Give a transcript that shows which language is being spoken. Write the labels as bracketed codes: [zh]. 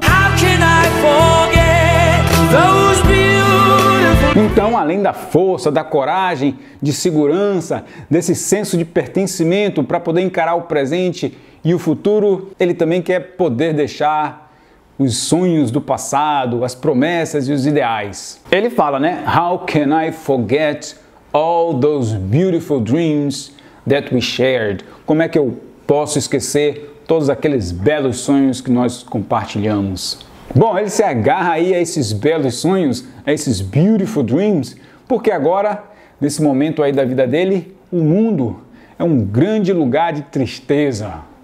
[en] How can I forget those beautiful... [pt] Então, além da força, da coragem, de segurança, desse senso de pertencimento para poder encarar o presente e o futuro, ele também quer poder deixar os sonhos do passado, as promessas e os ideais. Ele fala, né? [en] How can I forget all those beautiful dreams that we shared? [pt] Como é que eu posso esquecer todos aqueles belos sonhos que nós compartilhamos? Bom, ele se agarra aí a esses belos sonhos, a esses [en] beautiful dreams, [pt] porque agora, nesse momento aí da vida dele, o mundo é um grande lugar de tristeza.